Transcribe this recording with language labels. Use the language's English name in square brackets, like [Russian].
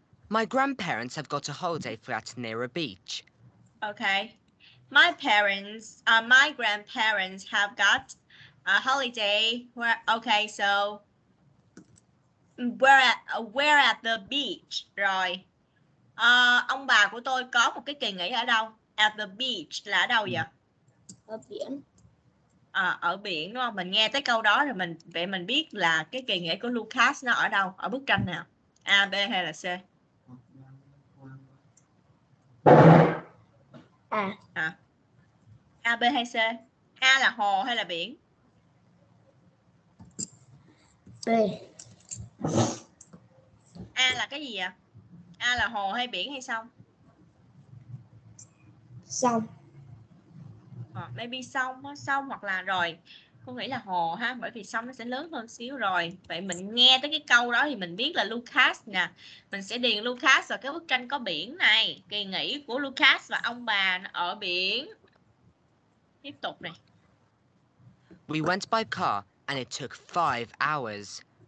[English] My grandparents have got a holiday flat near a beach. Okay. My grandparents have got a holiday where at the beach. [Vietnamese] Rồi. Ông bà của tôi có một cái kỳ nghỉ ở đâu? [English] At the beach [Vietnamese] là ở đâu vậy? Ở biển. Ở biển đúng không? Mình nghe tới câu đó rồi mình vậy mình biết là cái kỳ nghỉ của Lucas nó ở đâu? Ở bức tranh nào? A, B hay là C? À. A, B hay C? A là hồ hay là biển? B. A là cái gì ạ? A là hồ hay biển hay sông? Sông. Maybe sông, sông hoặc là rồi. Cô nghĩ là hồ ha, bởi vì sông nó sẽ lớn hơn xíu rồi. Vậy mình nghe tới cái câu đó thì mình biết là Lucas nè. Mình sẽ điền Lucas vào cái bức tranh có biển này. Kỳ nghỉ của Lucas và ông bà ở biển. Tiếp tục này. [English] We went by car and it took 5 hours.